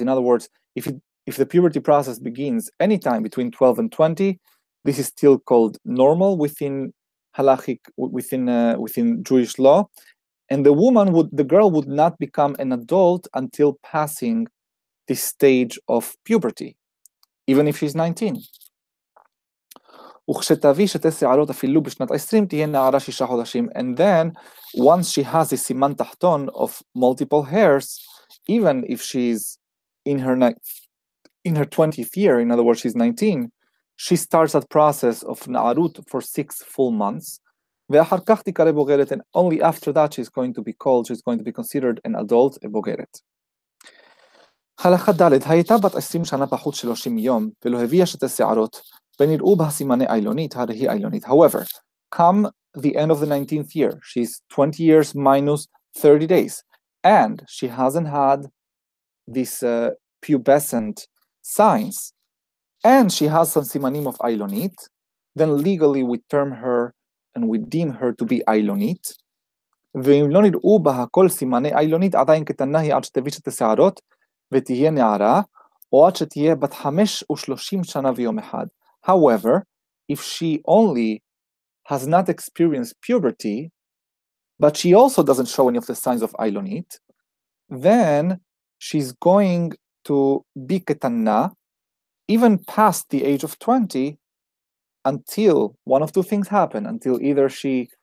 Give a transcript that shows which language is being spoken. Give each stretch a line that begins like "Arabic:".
English: In other words, if the puberty process begins anytime between 12 and 20, this is still called normal within Jewish law. And the girl would not become an adult until passing this stage of puberty, even if she's 19.
Hebrew: וכשתביא שתי שערות אפילו בשנת 20, תהיה נערה שישה חודשים.
English: And then, once she has a סימן תחתון of multiple hairs, even if she's in her 20th year, in other words, she's 19, she starts that process of נערות for 6 full months.
Hebrew: ואחר כך תיקרא בוגרת,
English: and only after that she's going to be called, she's going to be considered an adult, a בוגרת.
Hebrew: הלכה ד' הייתה בת 20 שנה פחות 30 יום, ולא הביאה שתי שערות.
English: However, come the end of the 19th year, she's 20 years minus 30 days, and she hasn't had these pubescent signs, and she has some simanim of ailonit, then legally we term her and we deem her to be ailonit.
Hebrew: ואם לא נראו בה הכל סימני ailonit, עדיין קטנה היא עד שתביא שתי שערות ותהיה נערה, או עד שתהיה בת 35 שנה ויום אחד.
English: However, if she only has not experienced puberty, but she also doesn't show any of the signs of ailonit, then she's going to be ketana, even past the age of 20, until one of two things happen, until either she